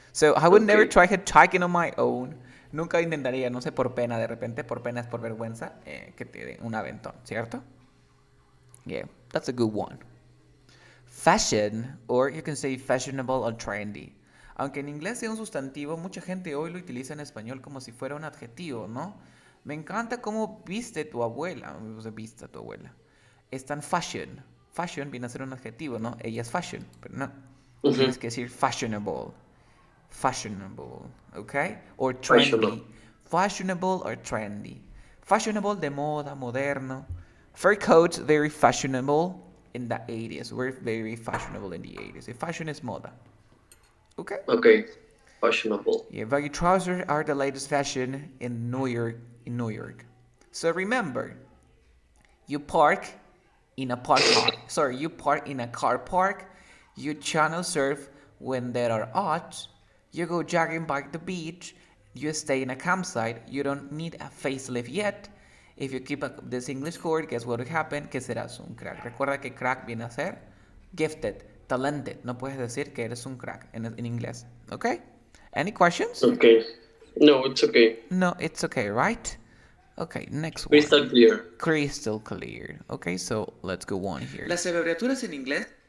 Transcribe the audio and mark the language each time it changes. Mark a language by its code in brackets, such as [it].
[en] So, I would never try hitchhiking on my own. [es] Nunca intentaría, no sé, por pena, de repente, por pena es por vergüenza, que te den un aventón, ¿cierto? [en] Yeah, that's a good one. Fashion, or you can say fashionable or trendy. [es] Aunque en inglés sea un sustantivo, mucha gente hoy lo utiliza en español como si fuera un adjetivo, ¿no? Me encanta cómo viste tu abuela, o sea, viste a tu abuela. Es tan fashion. Fashion viene a ser un adjetivo, ¿no? Ella es fashion, pero no. Tienes que decir fashionable. [en] Fashionable, ¿ok? O trendy. Fashionable o trendy. Fashionable [es] de moda, moderno. [en] Fur coats, very fashionable in the 80s. We're very fashionable in the 80s. If fashion is moda. ¿Ok? Fashionable. Yeah, baggy trousers are the latest fashion in New York. In New York. So remember, you park in a park car. Sorry, you park in a car park. You channel surf when there are odds. You go jogging by the beach. You stay in a campsite. You don't need a facelift yet. If you keep up this English course, guess what will happen? [es] Que serás un crack. Recuerda que crack viene a ser gifted, talented. No puedes decir que eres un crack en inglés. [en] ¿Ok? Any questions? No, it's okay. No, it's okay, right? Okay, next one. Crystal clear. Crystal clear. Okay, so let's go on here. [es] Las abreviaturas en inglés.